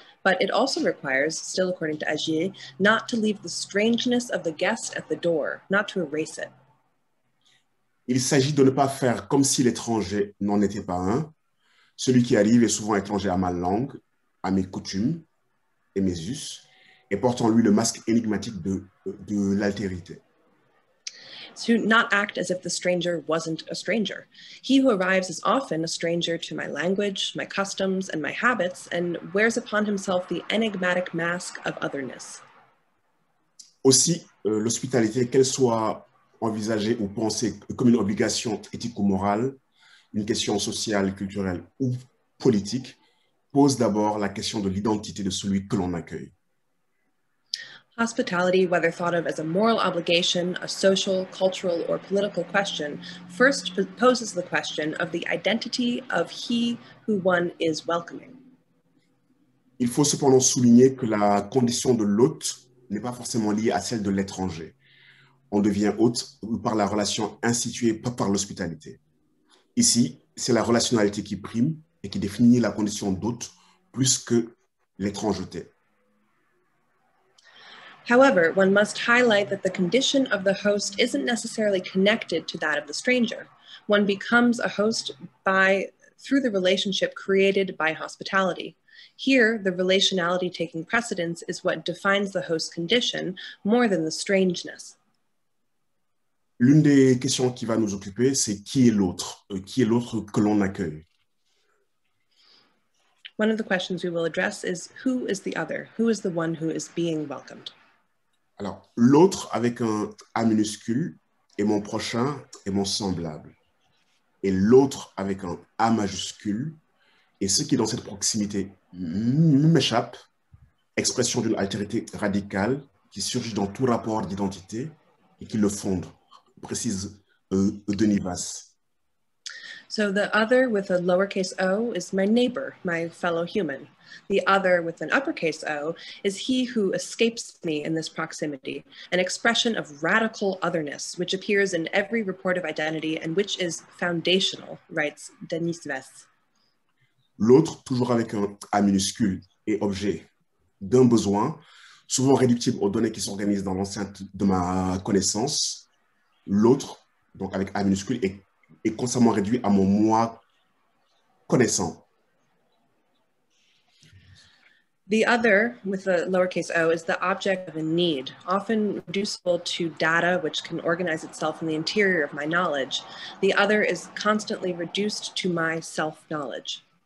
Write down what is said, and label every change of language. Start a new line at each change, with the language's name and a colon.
English: But it also requires, still according to Agier, not to leave the strangeness of the guest at the door, not to erase it.
French: Il s'agit de ne pas faire comme si l'étranger n'en était pas un. Celui qui arrive est souvent étranger à ma langue, à mes coutumes et mes us, et porte en lui le masque énigmatique de l'altérité.
English: To not act as if the stranger wasn't a stranger. He who arrives is often a stranger to my language, my customs, and my habits, and wears upon himself the enigmatic mask of otherness.
French: Aussi, l'hospitalité, qu'elle soit envisagée ou pensée comme une obligation éthique ou morale, une question sociale, culturelle ou politique, pose d'abord la question de l'identité de celui que l'on accueille.
English: Hospitality, whether thought of as a moral obligation, a social, cultural, or political question, first poses the question of the identity of he who one is welcoming.
French: Il faut cependant souligner que la condition de l'hôte n'est pas forcément liée à celle de l'étranger. On devient hôte par la relation instituée, pas par l'hospitalité. Ici, c'est la relationnalité qui prime et qui définit la condition d'hôte plus que l'étrangeté.
English: However, one must highlight that the condition of the host isn't necessarily connected to that of the stranger. One becomes a host through the relationship created by hospitality. Here, the relationality taking precedence is what defines the host's condition more than the strangeness.
French: L'une des questions qui va nous occuper, c'est qui est l'autre que l'on accueille.
English: One of the questions we will address is who is the other? Who is the one who is being welcomed?
French: Alors, l'autre avec un A minuscule est mon prochain et mon semblable. Et l'autre avec un A majuscule est ce qui, dans cette proximité, m'échappe, expression d'une altérité radicale qui surgit dans tout rapport d'identité et qui le fonde, précise Denis Vasse.
English: So the other with a lowercase o is my neighbor, my fellow human. The other with an uppercase o is he who escapes me in this proximity, an expression of radical otherness, which appears in every report of identity and which is foundational, writes Denis Vasse.
French: L'autre, toujours avec un A minuscule, est objet d'un besoin, souvent réductible aux données qui s'organisent dans l'enceinte de ma connaissance. L'autre, donc avec A minuscule, est constamment réduit à mon moi connaissant.
English: The other, with the lowercase o, is the object of a need, often reducible to data which can organize itself in the interior of my knowledge. The other is constantly reduced to my self-knowledge.